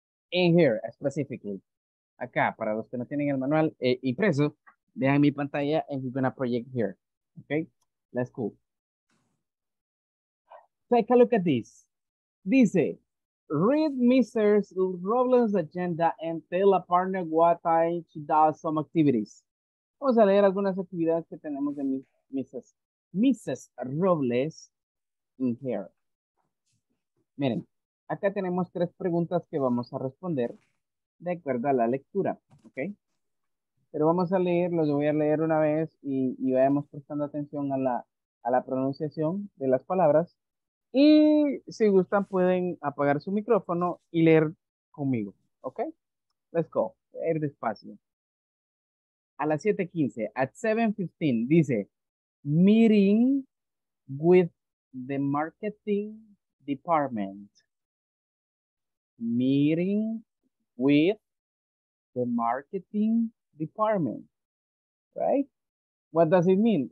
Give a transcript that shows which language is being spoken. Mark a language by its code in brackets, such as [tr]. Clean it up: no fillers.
[en] In here, specifically. [es] Acá, para los que no tienen el manual impreso, vean mi pantalla [en] and we're gonna project here. Okay, let's go. Take a look at this. Dice, read Mr. Robles' agenda and tell a partner what time she does some activities. [es] Vamos a leer algunas actividades que tenemos de Mrs. Robles [en] in here. [es] Miren, acá tenemos 3 preguntas que vamos a responder de acuerdo a la lectura, ¿ok? Pero vamos a leer, los voy a leer una vez y vayamos prestando atención a la pronunciación de las palabras. Y si gustan, pueden apagar su micrófono y leer conmigo, ¿ok? [en] Let's go, [es] leer despacio. A las 7:15, [en] at 7:15, dice, meeting with the marketing department. Meeting with the marketing department, right? What does it mean?